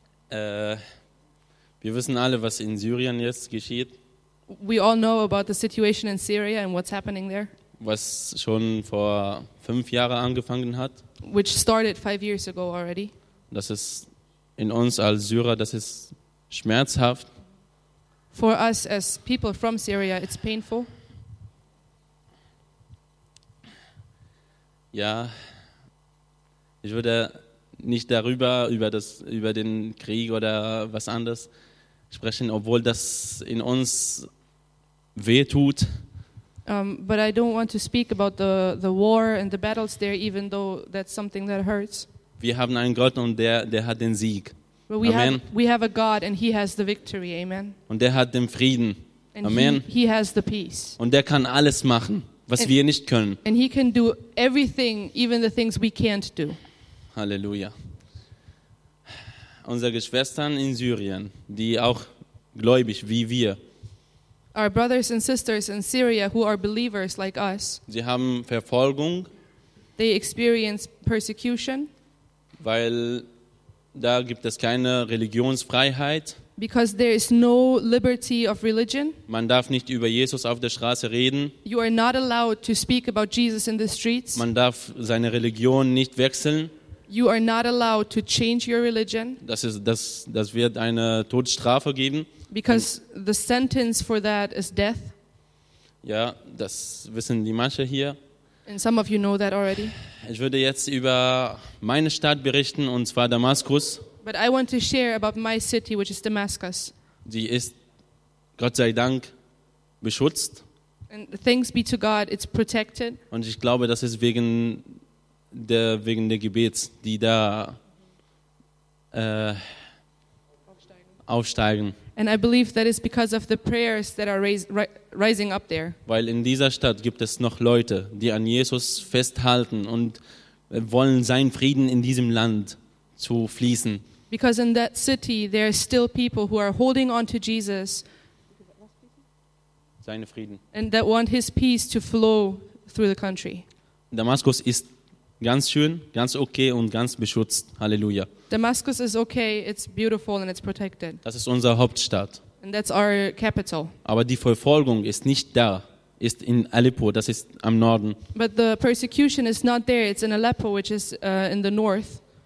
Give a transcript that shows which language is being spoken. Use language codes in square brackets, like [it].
[de] Wir wissen alle, was in Syrien jetzt geschieht. [en] We all know about the situation in Syria and what's happening there. [de] Was schon vor 5 Jahren angefangen hat. [en] Which started 5 years ago already. [de] Das ist in uns als Syrer, das ist schmerzhaft. [en] For us as people from Syria, it's painful. [de] Ja, ich würde nicht darüber, über den Krieg oder was anderes sprechen, obwohl das in uns weh tut. [en] But I don't want to speak about the war and the battles there, even though that's something that hurts. [de] Wir haben einen Gott und der hat den Sieg. [en] But we have a God and he has the victory, amen. [de] Und der hat den Frieden, amen. [en] And he has the peace. [de] Und der kann alles machen, was wir nicht können. [en] And he can do everything, even the things we can't do. [de] Halleluja. Unsere Geschwistern in Syrien, die auch gläubig wie wir. [en] Our brothers and sisters in Syria who are believers like us. [de] Sie haben Verfolgung. [en] They experience persecution. [de] Weil da gibt es keine Religionsfreiheit. [en] Because there is no liberty of religion. [de] Man darf nicht über Jesus auf der Straße reden. [en] You are not allowed to speak about Jesus in the streets. [de] Man darf seine Religion nicht wechseln. [en] You are not allowed to change your religion. [de] Das wird eine Todesstrafe geben. [en] Because the sentence for that is death. [de] Ja, das wissen die manche hier. [en] And some of you know that already. [de] Ich würde jetzt über meine Stadt berichten, und zwar Damaskus. [en] But I want to share about my city, which is Damascus. [de] Die ist, Gott sei Dank, beschützt. [en] And thanks be to God, it's protected. [de] Und ich glaube, das ist wegen der Gebets, die da aufsteigen. [en] And I believe that is because of the prayers that are rising up there. [de] Weil in dieser Stadt gibt es noch Leute, die an Jesus festhalten und wollen seinen Frieden in diesem Land zu fließen. [en] Because in that city there are still people who are holding on to Jesus. [de] Seine Frieden. [en] And that want his peace to flow through the country. [de] Damaskus ist ganz schön, ganz okay und ganz beschützt. Halleluja. [en] Damascus is okay, it's beautiful and it's protected. [de] Das ist unsere Hauptstadt. [en] And that's our capital. [de] Aber die Verfolgung ist nicht da, ist in Aleppo, das ist am Norden. [en] But the persecution is not there, it's in Aleppo, which is in the north.